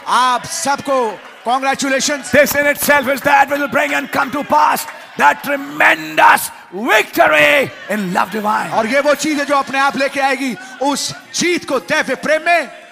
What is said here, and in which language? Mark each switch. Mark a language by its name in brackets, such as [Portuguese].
[Hindi] आप सबको congratulations. [English] This in itself is that which will bring and come to pass that tremendous victory in love divine. [Hindi] और ये वो चीज़ है जो अपने आप लेके आएगी उस जीत को दैव्य प्रेम में.